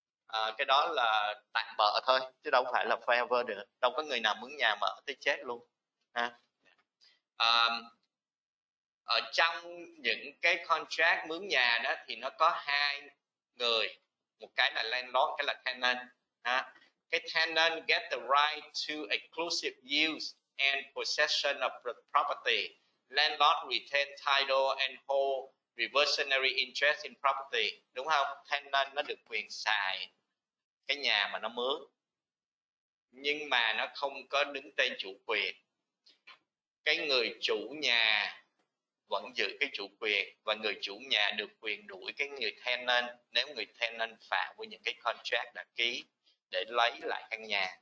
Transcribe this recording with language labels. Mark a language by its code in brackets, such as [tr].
[vi] Cái đó là tạm bợ thôi, chứ đâu phải là forever được. Đâu có người nào mướn nhà mà ở tới chết luôn. Ở trong những cái contract mướn nhà đó thì nó có hai người. Một cái là landlord, cái là tenant. [en] Cái tenant get the right to exclusive use and possession of the property. Landlord retain title and hold reversionary interest in property. [vi] Đúng không? Tenant nó được quyền xài cái nhà mà nó mướn, nhưng mà nó không có đứng tên chủ quyền. Cái người chủ nhà vẫn giữ cái chủ quyền, và người chủ nhà được quyền đuổi cái người tenant nếu người tenant phạm với những cái contract đã ký để lấy lại căn nhà.